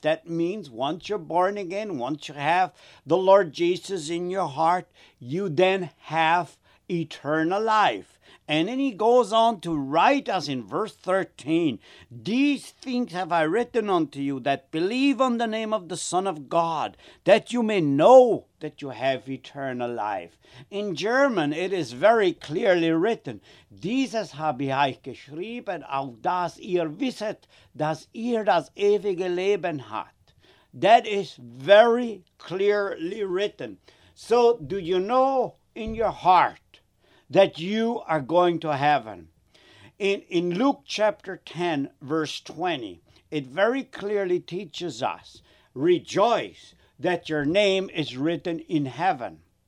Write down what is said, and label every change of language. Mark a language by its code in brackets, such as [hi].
[en] That means once you're born again, once you have the Lord Jesus in your heart, you then have eternal life. And then he goes on to write us in verse 13, these things have I written unto you that believe on the name of the Son of God, that you may know that you have eternal life. In German, it is very clearly written, [de] dieses habe ich geschrieben, auf das ihr wisset, dass ihr das ewige Leben hat. [en] That is very clearly written. So do you know in your heart that you are going to heaven? In Luke chapter 10, verse 20, it very clearly teaches us, rejoice that your name is written in heaven.